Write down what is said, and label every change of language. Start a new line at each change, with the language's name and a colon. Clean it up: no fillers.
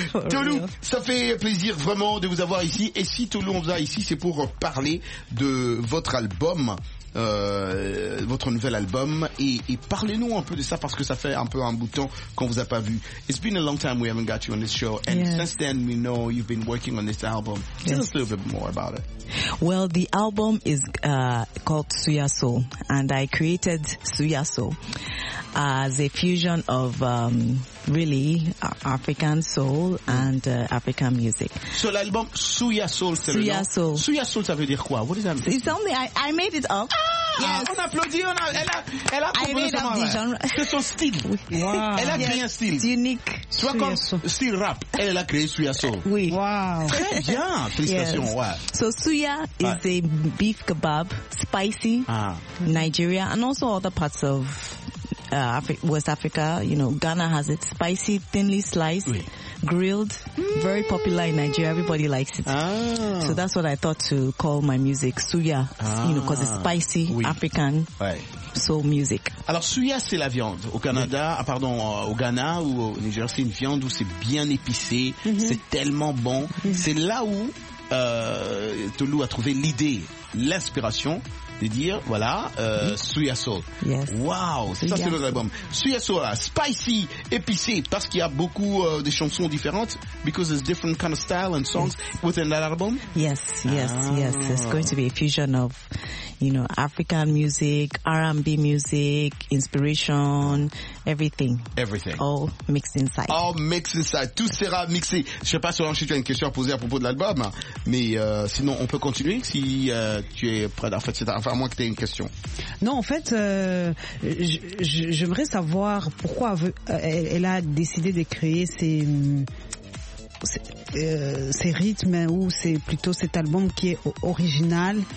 French: Toulou, ça fait plaisir vraiment de vous avoir ici. Et si Toulou, on vous a ici, c'est pour parler de votre album, votre nouvel album. Et parlez-nous un peu de ça, parce que ça fait un peu un bout de temps qu'on vous a pas vu.
English: It's been a long time we haven't got you on this show. And yes, since then, we know you've been working on this album. Tell us a little bit more about it. Well, the album is called Suya Soul, and I created Suya Soul as a fusion of really African soul and African music.
French: So l'album Suya Soul, c'est Suya le nom. Soul. Suya Soul, ça veut dire quoi?
English: What does that mean? It's something I made it up.
French: Ah, yes. On applaudit, on a, elle a composé ça. C'est son style. Wow. Elle a créé un style. C'est unique. Tu vois, comme style rap, elle a créé Suya Soul. Oui. Wow. Très bien. Félicitations. Yes. Ouais.
English: So Suya is a beef kebab, spicy, Nigeria, and also other parts of West Africa. You know, Ghana has it, spicy, thinly sliced, grilled, very popular in Nigeria. Everybody likes it. Ah. So that's what I thought to call my music, Suya, you know, because it's spicy, African. Right. So music.
French: Alors Suya, c'est la viande au Canada, au Ghana ou au Niger, c'est une viande où c'est bien épicé, c'est tellement bon. C'est là où Toulou a trouvé l'idée, l'inspiration de dire, voilà, Suya Soul.
English: Yes.
French: Wow, c'est ça, c'est notre album. Suya Soul, spicy, épicé, parce qu'il y a beaucoup de chansons différentes,
English: because there's different kind of style and songs within that album. Yes, yes, yes. It's going to be a fusion of, you know, African music, R&B music, inspiration, everything. Everything. All mixed inside. All mixed inside.
French: Tout sera mixé. Je sais pas, Solange, si tu as une question à poser à propos de l'album, mais sinon, on peut continuer si tu es prêt. En fait, c'est à moins que tu aies une question. Non, en fait, j'aimerais savoir pourquoi elle a décidé de créer ces rythmes, ou c'est plutôt cet album qui est original.